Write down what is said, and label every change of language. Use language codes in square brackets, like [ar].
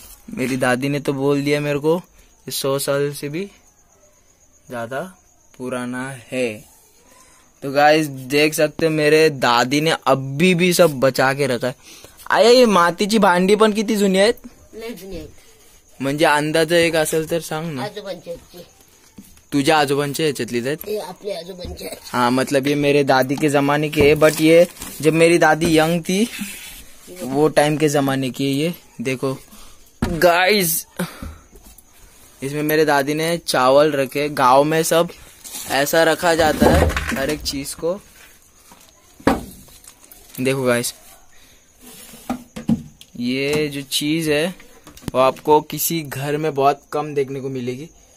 [hi] मेरी दादी ने तो बोल दिया मेरे को 100 साल से भी ज्यादा पुराना है। तो गाइस देख सकते हैं मेरे दादी ने अभी भी सब बचा के रखा है। [mr] आया ये मातीची भांडी पण किती जुनी आहेत, म्हणजे अंदाज एक असेल तर सांग ना। तुझ्या आजोबांचे ह्याच्यातली आहेत, आपले आजोबांचे, [hi] हा मतलब ये मेरे दादी के जमाने के है, बट ये जब मेरी दादी यंग थी वो टाइम के जमाने की है। ये देखो गाइस इसमें मेरे दादी ने चावल रखे, गांव में सब ऐसा रखा जाता है हर एक चीज को, देखो गाइस ये जो चीज है वो आपको किसी घर में बहुत कम देखने को मिलेगी।